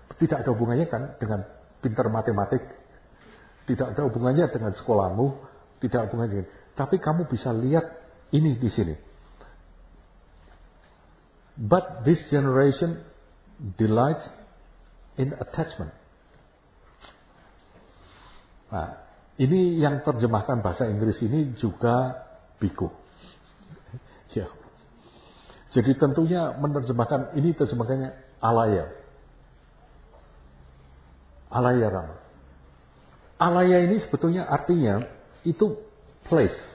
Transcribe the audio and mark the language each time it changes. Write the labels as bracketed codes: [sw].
[id] Tidak ada hubungannya kan dengan pintar matematik. Tidak ada hubungannya dengan sekolahmu. Tidak ada hubungannya. Tapi kamu bisa lihat Ini di sini. [en] But this generation delights in attachment. [id] Nah, ini yang terjemahkan bahasa Inggris ini juga biku. Ya. Jadi tentunya menerjemahkan ini terjemahkannya alaya. Alaya Rama. Alaya ini sebetulnya artinya itu place.